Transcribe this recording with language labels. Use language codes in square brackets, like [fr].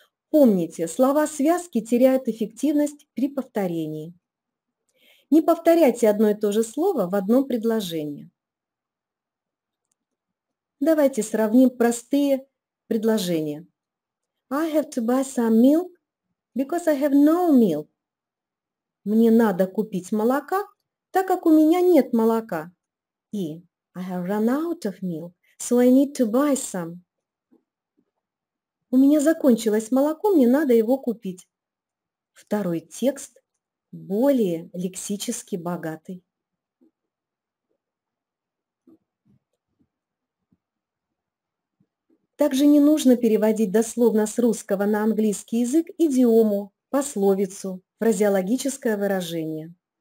[ru] Помните, слова-связки теряют эффективность при повторении. Не повторяйте одно и то же слово в одном предложении. Давайте сравним простые предложения. [en] I have to buy some milk because I have no milk. [ru] Мне надо купить молока, так как у меня нет молока. [en] И I have run out of milk, so I need to buy some. [ru] У меня закончилось молоко, мне надо его купить. Второй текст более лексически богатый. Также не нужно переводить дословно с русского на английский язык идиому, пословицу, фразеологическое выражение.